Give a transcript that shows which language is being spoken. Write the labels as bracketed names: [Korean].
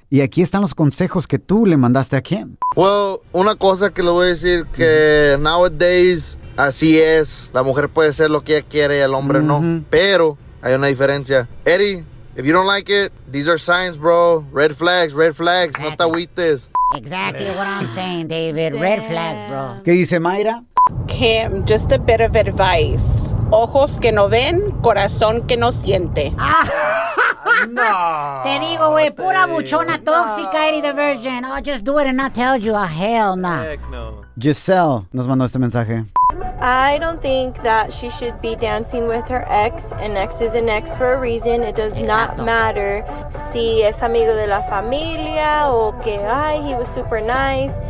[Spanish] Y aquí están los consejos que tú le mandaste a Kim. [English] Well, [Spanish] una cosa que le voy a decir que [English] nowadays [Spanish] así es. La mujer puede ser lo que ella quiere y el hombre no. Pero hay una diferencia. [English] Eddie, if you don't like it, these are signs, bro. Red flags, red flags. [Spanish] No te agüites. [English] Exactly what I'm saying, David. Red flags, bro. [Spanish] ¿Qué dice Mayra? [English] Kim, just a bit of advice. [Spanish] Ojos que no ven, corazón que no siente. No. Te digo, güey, pura buchona tóxica, no. Eddie the Virgin. [English] I'll just do it and not tell you. Oh, hell nah. Heck no. [Spanish] Giselle nos mandó este mensaje. [English] I don't think that she should be dancing with her ex. An ex is an ex for a reason. It does [Spanish] Exacto. [English] not matter [Spanish] si es amigo de la familia o que, ay, [English] he was super nice.